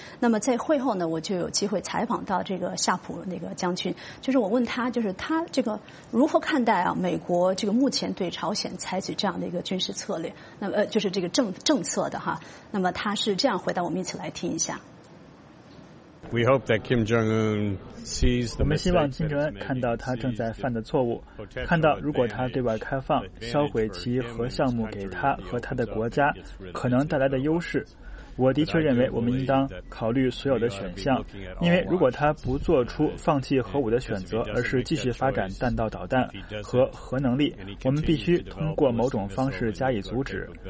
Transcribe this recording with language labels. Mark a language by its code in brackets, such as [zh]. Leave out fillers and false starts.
[zh] 那么在会后呢，我就有机会采访到这个夏普那个将军，就是我问他，就是他这个如何看待啊美国这个目前对朝鲜采取这样的一个军事策略，那么就是这个政策的哈。那么他是这样回答，我们一起来听一下。 [en] We hope that Kim Jong-un sees the [zh] 我们希望金正恩看到他正在犯的错误，看到如果他对外开放，销毁其核项目给他和他的国家可能带来的优势。我的确认为我们应当考虑所有的选项，因为如果他不做出放弃核武的选择，而是继续发展弹道导弹和核能力，我们必须通过某种方式加以阻止。